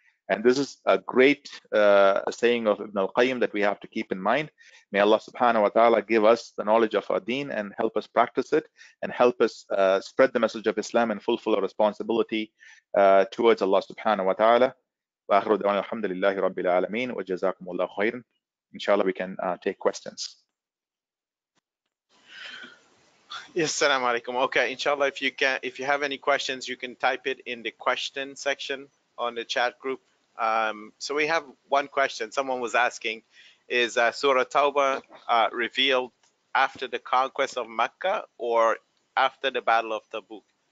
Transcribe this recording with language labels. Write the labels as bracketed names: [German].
[English] And this is a great saying of Ibn al-Qayyim that we have to keep in mind. May Allah subhanahu wa ta'ala give us the knowledge of our deen and help us practice it and help us spread the message of Islam and fulfill our responsibility towards Allah subhanahu wa ta'ala. [Arabic] وآخر دعوانا الحمد لله رب العالمين وجزاكم الله خيرا. [English] Inshallah, we can take questions. Assalamu alaikum. Okay, inshallah, if you have any questions, you can type it in the question section on the chat group. So we have one question. Someone was asking, is Surah Tawbah revealed after the conquest of Mecca or after the Battle of Tabuk?